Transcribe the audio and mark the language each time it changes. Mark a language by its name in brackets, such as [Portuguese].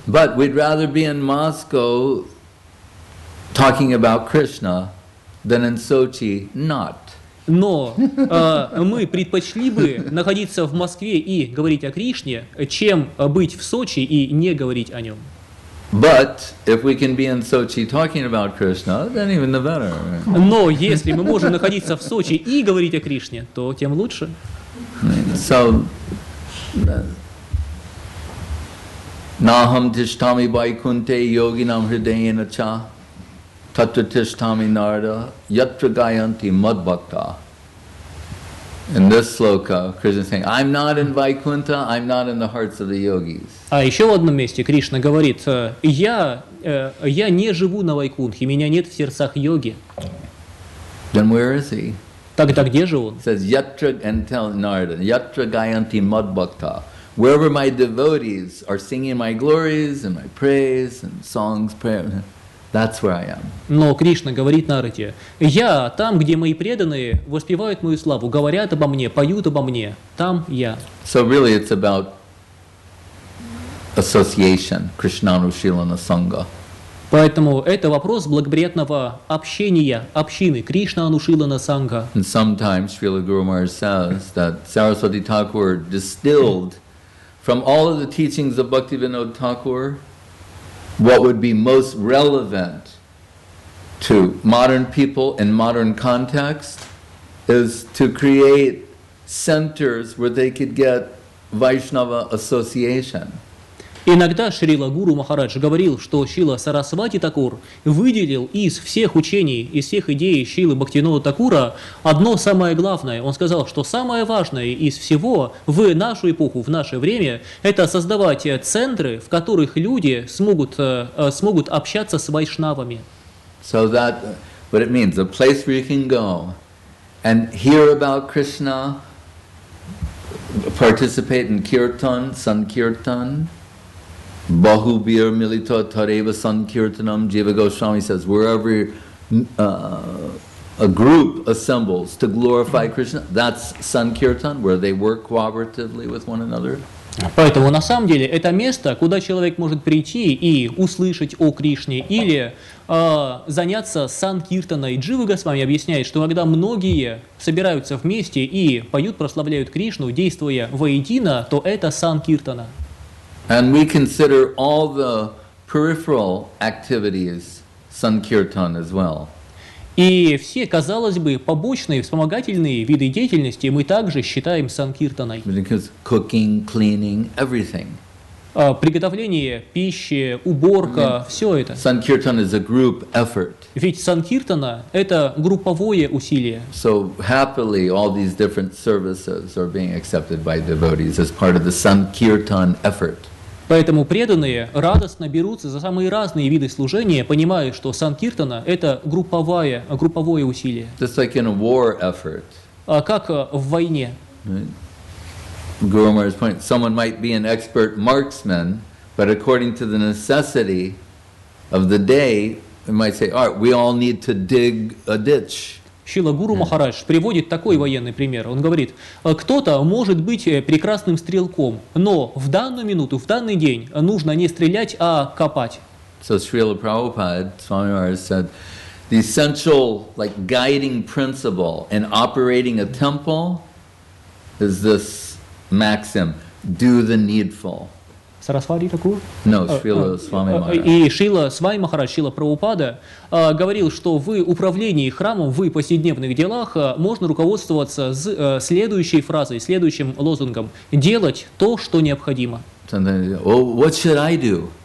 [English] But we'd rather be in Moscow talking about Krishna than in Sochi not. [Russian] Но мы предпочли бы находиться в Москве и говорить о Кришне, чем быть в Сочи и не говорить о нем. [English] But if we can be in Sochi talking about Krishna, then even the better. [Russian] Но если мы можем находиться в Сочи и говорить о Кришне, то тем лучше. [English] So, [Sanskrit] Naham tishtami vaikunte yoginam hridayena cha. Tatra tishtami narada yatra gayanti madbhakta. [English] In this sloka, Krishna is saying, I'm not in Vaikuntha, I'm not in the hearts of the yogis. [Russian] А еще в одном месте Кришна говорит, я не живу на Вайкунтхе, меня нет в сердцах йоги. [English] Then where is he? [Russian] Тогда где же он? [English] Says yatra and tell Narada, [Sanskrit] yatra gayanti madbhakta. [English] Wherever my devotees are singing my glories and my praise and songs, prayer, that's where I am. [Russian] Но Кришна говорит Нараде, я там, где мои преданные воспевают мою славу, говорят обо мне, поют обо мне, там я. [English] So really it's about association, Krishnanushilana Sangha. [Russian] Поэтому это вопрос благоприятного общения, общины, Кришнанушилана Сангха. [English] And sometimes Srila Guru Maharaj says that Saraswati Thakur distilled from all of the teachings of Bhaktivinoda Thakur what would be most relevant to modern people in modern context is to create centers where they could get Vaishnava association. [Russian] Иногда Шрила Гуру Махарадж говорил, что Шрила Сарасвати Такур выделил из всех учений, из всех идей Шрилы Бхактивинода Такура одно самое главное. Он сказал, что самое важное из всего в нашу эпоху, в наше время, это создавать центры, в которых люди смогут общаться с вайшнавами. [English] So that, what it means, a place where you can go and hear about Krishna, participate in kirtan, sankirtan. [Sanskrit] Bahubir milito tareva sankirtanam [English] Jiva Goswami says, wherever a group assembles to glorify Krishna, that's sankirtan, where they work cooperatively with one another. [Russian] Поэтому на самом деле это место, куда человек может прийти и услышать о Кришне или заняться санкиртаной. Джива Госвами объясняет, что когда многие собираются вместе и поют, прославляют Кришну, действуя воедино, то это санкиртана. [English] And we consider all the peripheral activities sankirtan as well. [Russian] И все, казалось бы, побочные, вспомогательные виды деятельности мы также считаем санкиртаной. [English] Because cooking, cleaning, everything. [Russian] Приготовление пищи, уборка, все это. [English] Sankirtan is a group effort. [Russian] Ведь санкиртана – это групповое усилие. [English] So happily, all these different services are being accepted by devotees as part of the sankirtan effort. [Russian] Поэтому преданные радостно берутся за самые разные виды служения, понимая, что санкиртана – это групповое усилие. [English] Just like in a war effort. [Russian] Как в войне. [English] Guru Maharaj's point, someone might be an expert marksman, but according to the necessity of the day, we might say, all right, we all need to dig a ditch. [Russian] Шрила Гуру Махарадж приводит такой военный пример. Он говорит, кто-то может быть прекрасным стрелком, но в данную минуту, в данный день нужно не стрелять, а копать. [English] So Srila Prabhupada, Swami Maharaj said, the essential like guiding principle in operating a temple is this maxim, do the needful. [Russian] Сарасвати Такур? [English] No, Шрила Свами Махарадж. [Russian] И Шрила Свами Махарадж, Шрила Прабхупада, говорил, что в управлении храмом, в повседневных делах можно руководствоваться с следующей фразой, следующим лозунгом. Делать то, что необходимо. [English] What should I do?